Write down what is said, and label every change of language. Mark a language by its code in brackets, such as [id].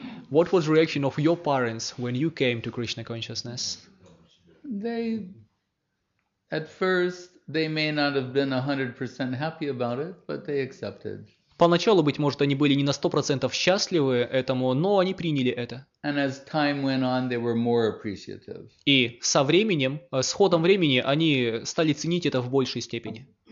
[en] What was the reaction of your parents when you came to Krishna consciousness? At first they may not have been 100% happy about it, but they accepted. [ru] Поначалу, быть может, они были не на 100% счастливы этому, но они приняли это. [en] And as time went on, they were more appreciative. [ru] И со временем, с ходом времени, они стали ценить это в большей степени.